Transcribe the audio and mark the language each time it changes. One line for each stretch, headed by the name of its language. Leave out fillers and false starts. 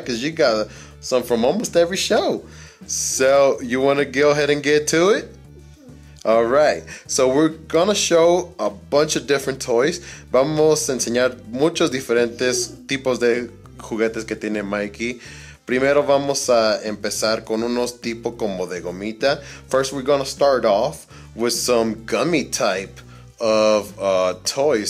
English: Because you got some from almost every show. So, you wanna go ahead and get to it? Alright, so we're gonna show a bunch of different toys.
Spanish: Vamos a enseñar muchos diferentes tipos de juguetes que tiene Mikey. Primero vamos a empezar con unos tipo como de gomita.
English: First, we're gonna start off with some gummy type of toys.